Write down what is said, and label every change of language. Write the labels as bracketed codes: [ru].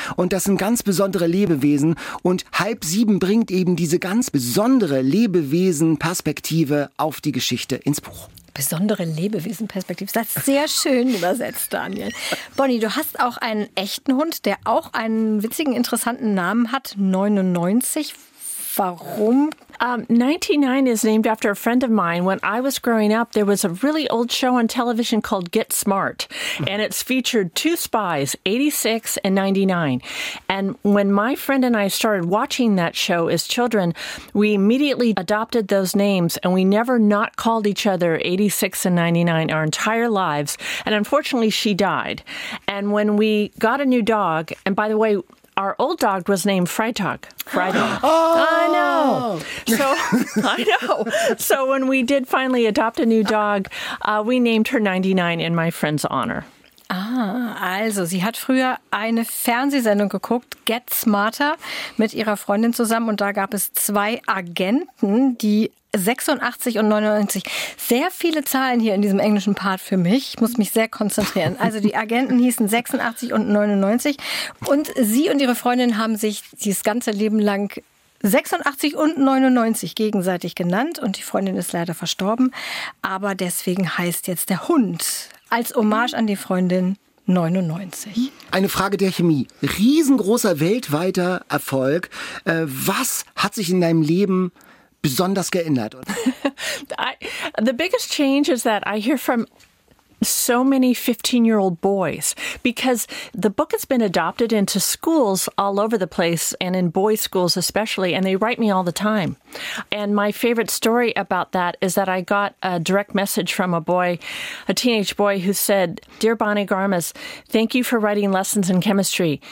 [de] Und das sind ganz besondere Lebewesen. Und halb sieben bringt eben diese ganz besondere Lebewesen-Perspektive auf die Geschichte ins Buch. Besondere Lebewesen-Perspektive. Das ist sehr schön übersetzt, Daniel. Bonnie, du hast auch einen echten Hund, der auch einen witzigen, interessanten Namen hat. 99. Warum? [en] 99 is named after a friend of mine. When I was growing up, there was a really old show on television called Get Smart, and it's featured two spies, 86 and 99. And when my friend and I started watching that show as children, we immediately adopted those names, and we never not called each other 86 and 99 our entire lives. And unfortunately, she died. And when we got a new dog, and by the way, our old dog was named Freitag. Oh, I know. So when we did finally adopt a new dog, we named her 99 in my friend's honor. [de] Ah, also, sie hat früher eine Fernsehsendung geguckt, Get Smarter, mit ihrer Freundin zusammen. Und da gab es zwei Agenten, die 86 und 99. Sehr viele Zahlen hier in diesem englischen Part für mich. Ich muss mich sehr konzentrieren. Also die Agenten hießen 86 und 99. Und sie und ihre Freundin haben sich dieses ganze Leben lang 86 und 99 gegenseitig genannt. Und die Freundin ist leider verstorben. Aber deswegen heißt jetzt der Hund als Hommage an die Freundin 99. Eine Frage der Chemie. Riesengroßer weltweiter Erfolg. Was hat sich in deinem Leben besonders geändert? [en] The biggest change is that I hear from so many 15-year-old boys, because the book has been adopted into schools all over the place, and in boys' schools especially, and they write me all the time. And my favorite story about that is that I got a direct message from a boy, a teenage boy, who said, "Dear Bonnie Garmus, thank you for writing lessons in chemistry.